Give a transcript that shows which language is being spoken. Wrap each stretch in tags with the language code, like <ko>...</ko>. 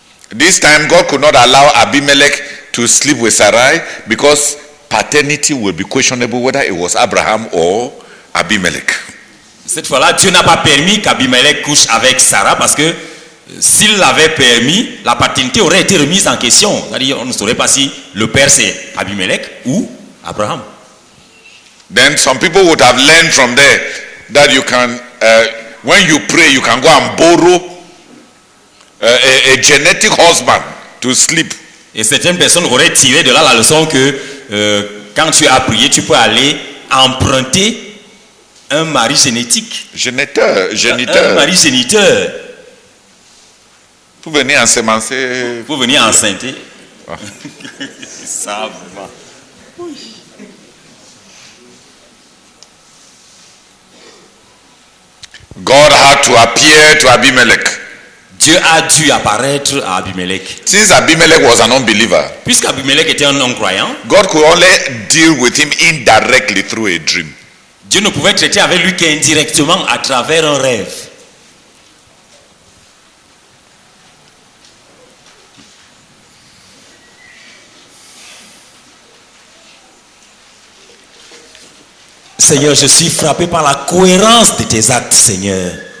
<en>This time God could not allow Abimelech to sleep with Sarai because paternity would be questionable whether it was Abraham or Abimelech.</en> <fr>Cette fois-là, Dieu n'a pas permis qu'Abimelech couche avec Sarah parce que s'il l'avait permis, la paternité aurait été remise en question. C'est-à-dire, on ne saurait pas si le père c'est Abimelech ou Abraham.</fr> <en>Then some people would have learned from there that you can, when you pray, you can go and borrow a genetic husband to sleep.</en> <fr>Et certaines personnes auraient tiré de là la leçon que quand tu as prié, tu peux aller emprunter un mari génétique. Géniteur. Un mari géniteur. Pour venir ensemencer. Pour venir enceinter. Ah. Ça va.</fr> <en>God had to appear to Abimelech.</en> <fr>Dieu a dû apparaître à Abimelech.</fr> <en>Since Abimelech was an unbeliever,</en> <fr>puisqu'Abimelech était un non-croyant,</fr> <en>God could only deal with him indirectly through a dream.</en> <fr>Dieu ne pouvait traiter avec lui qu'indirectement à travers un rêve. Seigneur, je suis frappé par la cohérence de tes actes, Seigneur.</fr>